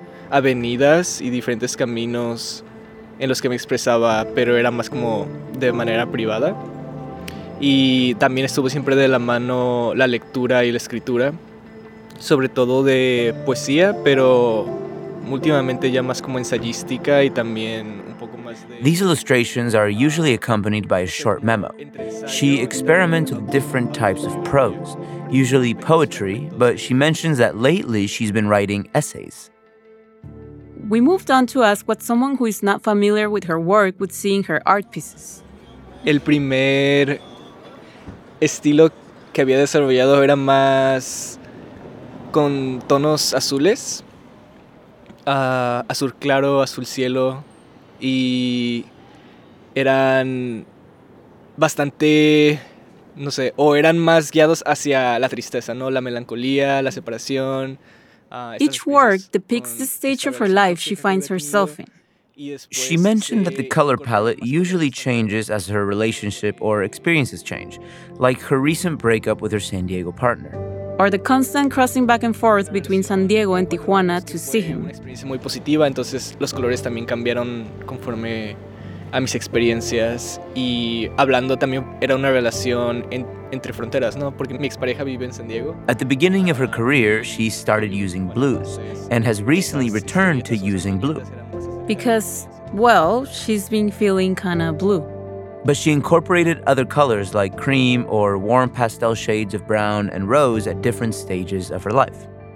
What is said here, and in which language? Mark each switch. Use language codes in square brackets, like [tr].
[es] Avenidas y diferentes caminos en los que me expresaba, pero era más como de manera privada. Y también estuvo siempre de la mano la lectura y la escritura, sobre todo de poesía, pero últimamente ya más como ensayística y también un poco más de... [en] These illustrations are usually accompanied by a short memo. She experiments with different types of prose, usually poetry, but she mentions that lately she's been writing essays. We moved on to ask what someone who is not familiar with her work would see in her art pieces. [es] El primer estilo que había desarrollado era más con tonos azules, azul claro, azul cielo, y eran bastante, no sé, o eran más guiados hacia la tristeza, ¿no? La melancolía, la separación. [en] Each work depicts the stage of her life she finds herself in. She mentioned that the color palette usually changes as her relationship or experiences change, like her recent breakup with her San Diego partner. Or the constant crossing back and forth between San Diego and Tijuana to see him. [es] Una experiencia muy positiva, entonces los colores también cambiaron conforme a mis experiencias. Y hablando también era una relación entre fronteras, ¿no? Porque mi expareja vive en San Diego. [en] At the beginning of her career, she started using blues and has recently returned to using blue. Because, well, she's been feeling kind of blue. But she incorporated other colors like cream or warm pastel shades of brown and rose at different stages of her life.